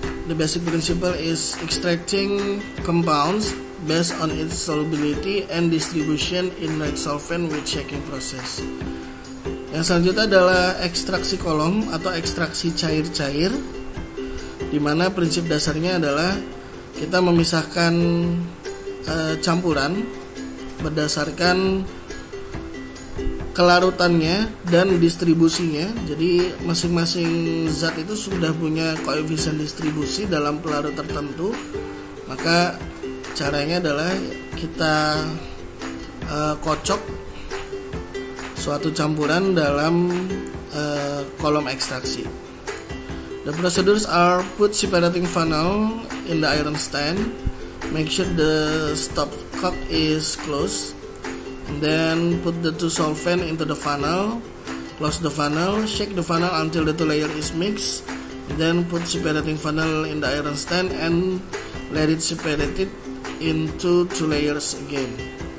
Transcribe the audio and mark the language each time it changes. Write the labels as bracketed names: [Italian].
[English] The basic principle is extracting compounds based on its solubility and distribution in red solvent with shaking process. [Indonesian] Yang selanjutnya adalah ekstraksi kolom atau ekstraksi cair-cair, di mana prinsip dasarnya adalah kita memisahkan campuran berdasarkan kelarutannya dan distribusinya. Jadi masing-masing zat itu sudah punya koefisien distribusi dalam pelarut tertentu. Maka caranya adalah kita kocok suatu campuran dalam kolom ekstraksi. [English] The procedures are: put separating funnel in the iron stand, make sure the stopcock is closed, and then put the two solvent into the funnel, close the funnel, shake the funnel until the two layer is mixed, and then put separating funnel in the iron stand and let it separate it into two layers again.